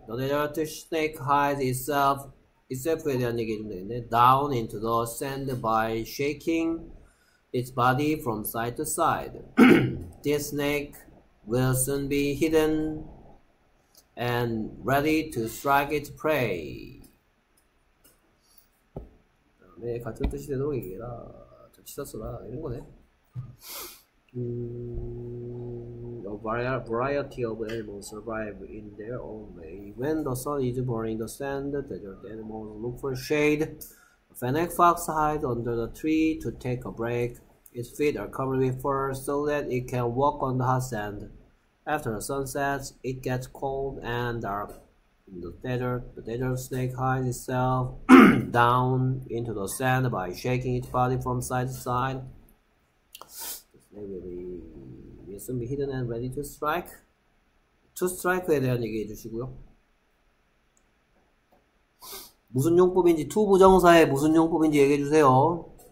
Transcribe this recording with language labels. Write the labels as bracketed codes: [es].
[en] The desert snake hides itself [ko] 에 대한 얘기 좀 되겠네. [en] Down into the sand by shaking its body from side to side. This snake will soon be hidden and ready to strike its prey. [ko] 네, 같은 뜻이 되도록 얘기해라. 저 치사스라 이런 거네. [en] A variety of animals survive in their own way. When the sun is burning the sand, the desert animals look for shade. Fennec Fox hides under the tree to take a break. Its feet are covered with fur so that it can walk on the hot sand. After the sun sets, it gets cold and dark. In the desert, the desert snake hides itself down into the sand by shaking its body from side to side. The snake will soon be hidden and ready to strike. [ko] 투 스트라이크에 대한 얘기해 주시고요. 무슨 용법인지, 투 부정사의 무슨 용법인지 얘기해 주세요.